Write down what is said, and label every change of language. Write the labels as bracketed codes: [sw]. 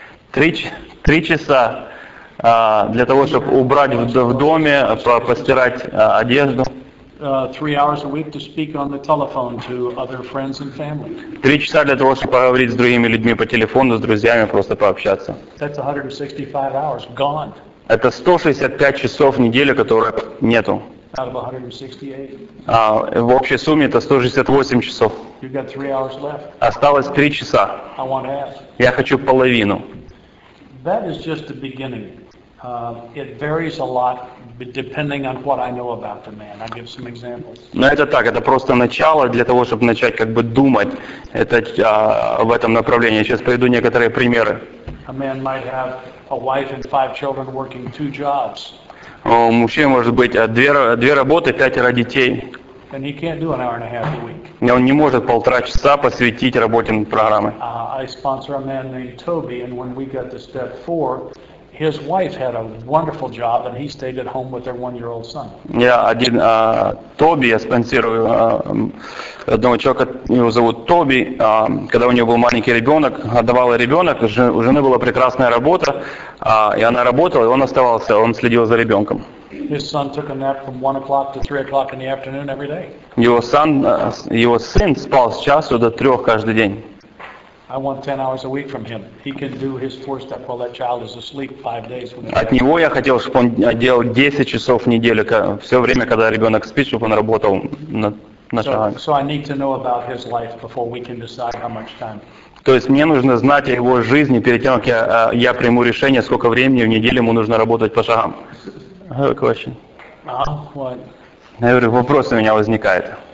[ru] 3 часа для того, чтобы убрать в доме, постирать одежду. [en] 3 hours a week to speak on the telephone to other friends and family. [ru] 3 часа для того, чтобы поговорить с другими людьми по телефону, с друзьями, просто пообщаться. [en] That's 165 hours gone. [ru] Это 165 часов в неделю, которые нету. [en] Out of 168. [ru] В общей сумме это 168 часов. [en] You've got 3 hours left. [ru] Осталось 3 часа. [en] I want half. [ru] Я хочу половину. [en] That is just the beginning. It varies a lot depending on what I know about the man. I'll give some examples. [ru] Но это так, это просто начало для того, чтобы начать как бы думать в этом направлении. Я сейчас приведу некоторые примеры. [en] A man might have a wife and 5 children working 2 jobs. [ru] У мужчины может быть две работы, 5 детей. [en] And he can't do an hour and a half a week. [ru] Он не может полтора часа посвятить работе над программой. [en] I sponsor a man named Toby, and when we got to step 4, his wife had a wonderful job and he stayed at home with their 1-year-old son. [ru] Я один Тоби, я спонсирую одного человека, его зовут Тоби. Когда у него был маленький ребенок, отдавал ребенок, у жены была прекрасная работа, и она работала, и он оставался, он следил за ребенком. [en] His son took a nap from 1 o'clock to 3 o'clock in the afternoon every day. [ru] Его сын спал с часу до 3 каждый день. [en] I want 10 hours a week from him. He can do his 4-step while that child is asleep 5 days. [ru] От него я хотел, чтобы он делал 10 часов в неделю, все время, когда ребенок спит, чтобы он работал на шагах. [en] So I need to know about his life before we can decide how much time. [ru] То есть мне нужно знать о его жизни перед тем, как я приму решение, сколько времени в неделю ему нужно работать по шагам. [en] Good question. What? [ru] Я говорю, вопрос у меня возникает.